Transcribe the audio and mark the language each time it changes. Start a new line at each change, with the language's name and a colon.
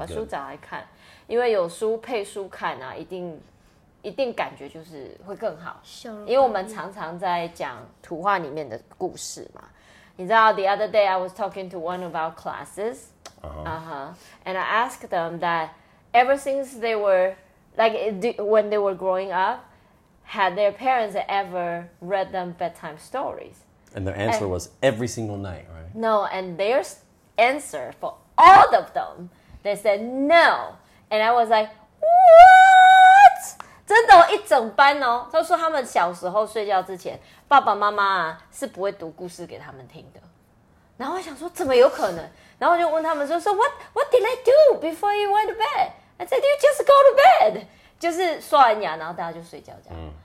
Chinese: 把书找来看，因为有书配书看啊，一定感觉就是会更好。因为我们常常在讲图画里面的故事嘛。你知道
English: ，the other day I was talking to one of our classes. And I asked them that ever since they were, like, when they were growing up, had their parents ever read them bedtime stories? And their answer was every single night, right? No, and their answer for all of them, they said no. And I was like, what?
Chinese: 真的，一整班哦，都说他们小时候睡觉之前，爸爸妈妈是不会读故事给他们听的。然后我想说，怎么有可能？然后我就问他们说
English: ，So what did I do before you went to bed? I said you just go to bed，
Chinese: 就是刷完牙，然后大家就睡觉这样。